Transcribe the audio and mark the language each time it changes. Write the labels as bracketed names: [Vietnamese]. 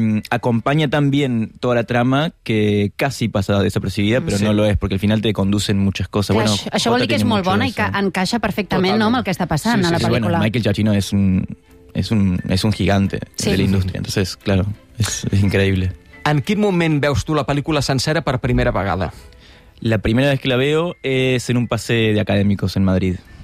[Spanish] acompaña también toda la trama que casi pasa desapercibida, pero sí. No lo es, porque al final te conducen muchas cosas. [Catalan] Bueno, això vol dir que és molt bona i que encaixa perfectament, no, amb el que està passant, sí, sí, a la pel·lícula. [Spanish] Sí, bueno, Michael Giacchino és un gigante, sí, de la indústria, entonces, claro, es increíble. [Catalan] En quin moment veus tu la pel·lícula sencera per primera vegada? [Spanish] La primera vez que la veo es en un pase de académicos en Madrid.